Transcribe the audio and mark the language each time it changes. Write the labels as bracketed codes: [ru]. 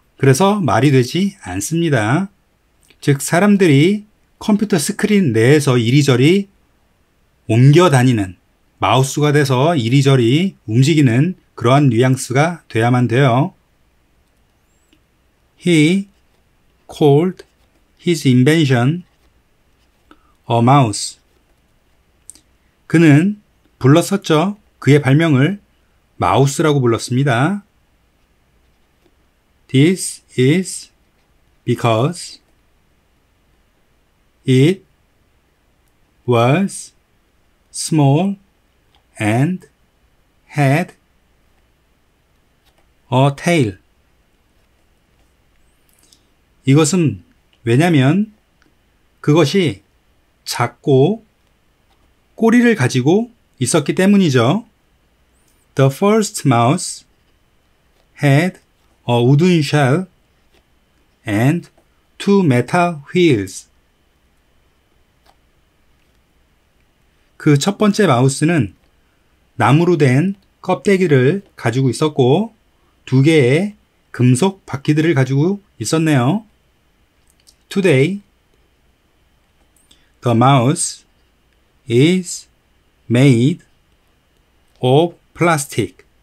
[ko] 그래서 말이 되지 않습니다. 즉 사람들이 컴퓨터 스크린 내에서 이리저리 옮겨 다니는 마우스가 돼서 이리저리 움직이는 그러한 뉘앙스가 돼야만 돼요. [en] He called his invention a mouse. [ko] 그는 불렀었죠. 그의 발명을 마우스라고 불렀습니다. [en] This is because it was small and had a tail. [ko] 이것은 왜냐면 그것이 작고 꼬리를 가지고 있었기 때문이죠. [en] The first mouse had a wooden shell and two metal wheels. [ko] 그 첫 번째 마우스는 나무로 된 껍데기를 가지고 있었고 두 개의 금속 바퀴들을 가지고 있었네요. [en] Today, the mouse is made of plastic.